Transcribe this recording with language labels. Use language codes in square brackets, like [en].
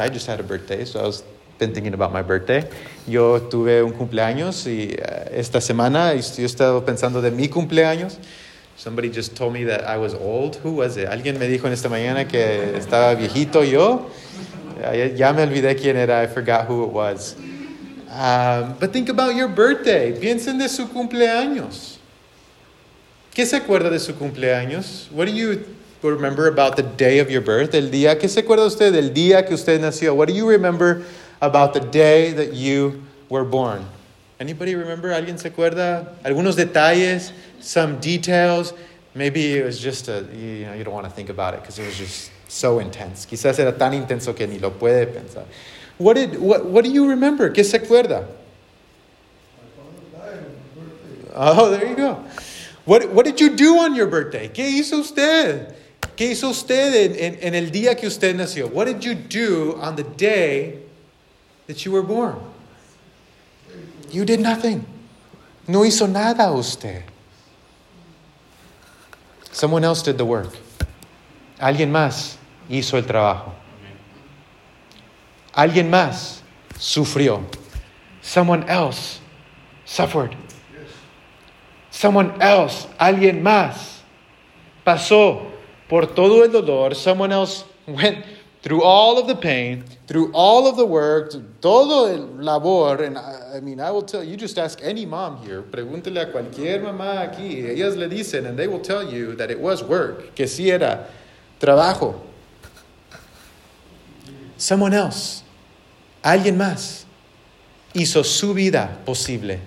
[en] I just had a birthday, so I've been thinking about my birthday. [es] Yo tuve un cumpleaños y esta semana yo he estado pensando de mi cumpleaños. [en] Somebody just told me that I was old. Who was it? [es] Alguien me dijo en esta mañana que estaba viejito yo. Ya me olvidé quién era. [en] I forgot who it was. But think about your birthday. [es] Piensen de su cumpleaños. ¿Qué se acuerda de su cumpleaños? [en] What do you remember about the day of your birth? [es] El día. ¿Qué se acuerda usted del día que usted nació? [en] What do you remember about the day that you were born? Anybody remember? [es] ¿Alguien se acuerda? Algunos detalles, [en] some details. Maybe it was just you don't want to think about it because it was just so intense. [es] Quizás era tan intenso que ni lo puede pensar. [en] What do you remember? [es] ¿Qué se acuerda? [en] Oh, there you go. What did you do on your birthday? [es] ¿Qué hizo usted? ¿Qué hizo usted en el día que usted nació? [en] What did you do on the day that you were born? You did nothing. [es] No hizo nada usted. [en] Someone else did the work. [es] Alguien más hizo el trabajo. Alguien más sufrió. [en] Someone else suffered. Someone else, [es] alguien más, pasó por todo el dolor. [en] Someone else went through all of the pain, through all of the work, [es] todo el labor. [en] And I will tell you, just ask any mom here. [es] Pregúntele a cualquier mamá aquí. Ellas le dicen, [en] and they will tell you that it was work. [es] Que sí era trabajo. [en] Someone else, [es] alguien más, [en] hizo su vida posible.